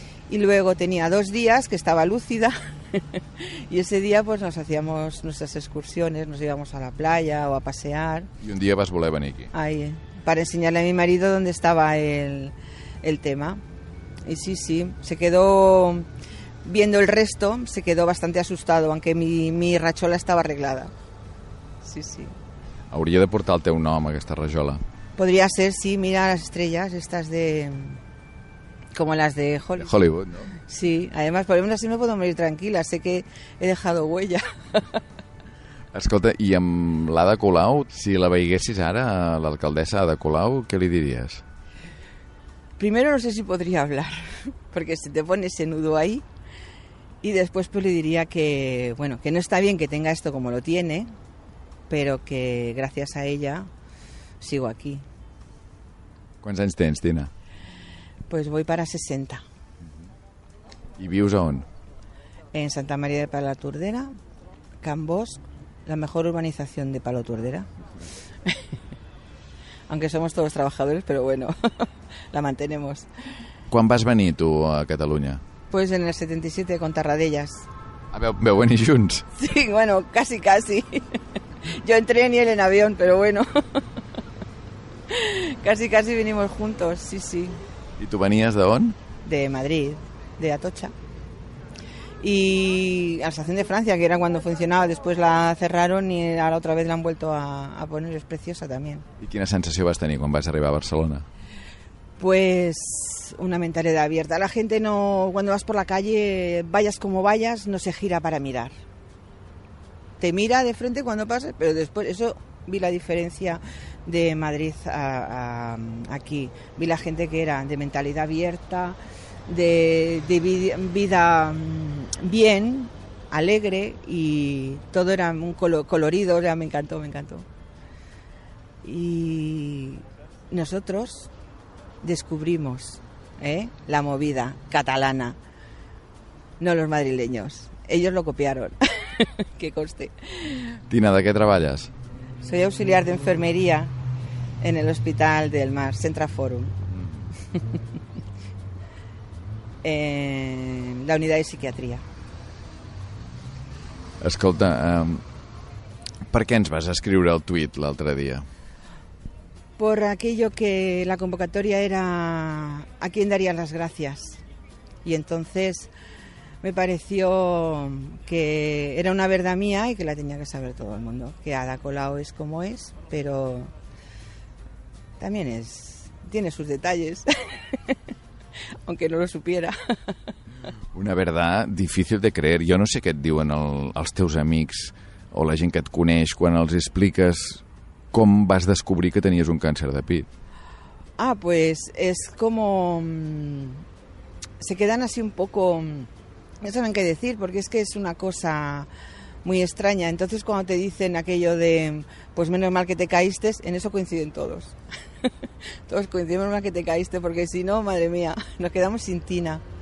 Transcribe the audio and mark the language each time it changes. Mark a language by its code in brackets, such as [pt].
[es] Y luego tenía 2 días que estaba lúcida. Y ese día pues nos hacíamos nuestras excursiones, nos íbamos a la playa o a pasear. Y un día [ca] vas voler venir aquí. [es] Ahí, para enseñarle a mi marido dónde estaba el tema. Y sí, sí, se quedó viendo el resto, se quedó bastante asustado, aunque mi rachola estaba arreglada. Sí, sí. [ca] Hauria de portar el teu nom, aquesta rajola. [es] Podría ser, sí, mira las estrellas, estas de... Como las de Hollywood. De Hollywood, ¿no? Sí, además, por ejemplo, así me puedo morir tranquila, sé que he dejado huella. [ca] Escolta, i amb l'Ada Colau, si la veiessis ara, l'alcaldessa Ada Colau, què li diries? [es] Primero no sé si podría hablar, porque se te pone ese nudo ahí. Y después pues le diría que, bueno, que no está bien que tenga esto como lo tiene, pero que gracias a ella sigo aquí. ¿Cuántos años tienes, Tina? Pues voy para 60. [ca] ¿Y vius on? [es] En Santa María de Palautordera, Can Bosc, la mejor urbanización de Palautordera. Aunque somos todos trabajadores, pero bueno, la mantenemos. [ca] ¿Quan vas venir tu a Catalunya? [es] Pues en el 77, con Tarradellas. A ver, [ca] ¿veu venir junts? [es] Sí, bueno, casi, casi. Yo en tren y él en avión, pero bueno. Casi, casi venimos juntos, sí, sí. ¿Y tú venías de on? De Madrid, de Atocha. Y a la Estación de Francia, que era cuando funcionaba, después la cerraron y ahora otra vez la han vuelto a poner, es preciosa también. [ca] ¿Y quina sensació vas tenir quan vas arribar a Barcelona? [es] Pues una mentalidad abierta. La gente no, cuando vas por la calle, vayas como vayas, no se gira para mirar. Te mira de frente cuando pases, pero después, eso vi la diferencia de Madrid a aquí. Vi la gente que era de mentalidad abierta, de vida bien, alegre y todo era un colorido, ya me encantó, me encantó. Y nosotros descubrimos la movida catalana, no los madrileños. Ellos lo copiaron, que conste. Tina, ¿de qué trabajas? Soy auxiliar de enfermería en el Hospital del Mar, Centra Forum. La unidad de psiquiatría. [ca] Escolta, ¿per què ens vas escriure el tuit l'altre dia? [es] Por aquello que la convocatoria era a quién darían las gracias. Y entonces me pareció que era una verdad mía y que la tenía que saber todo el mundo. Que Ada Colau es como es, pero también es, tiene sus detalles. Aunque no lo supiera. Una verdad difícil de creer. Yo no sé qué te [ca] diuen els teus amics o la gent que et coneix quan els expliques com vas descobrir que tenies un càncer de pit. [es] Ah, pues es como se quedan así un poco, no saben qué decir, porque es que es una cosa muy extraña. Entonces, cuando te dicen aquello de, pues menos mal que te caíste, en eso coinciden todos. Todos coinciden, menos mal que te caíste, porque si no, madre mía, nos quedamos sin tina.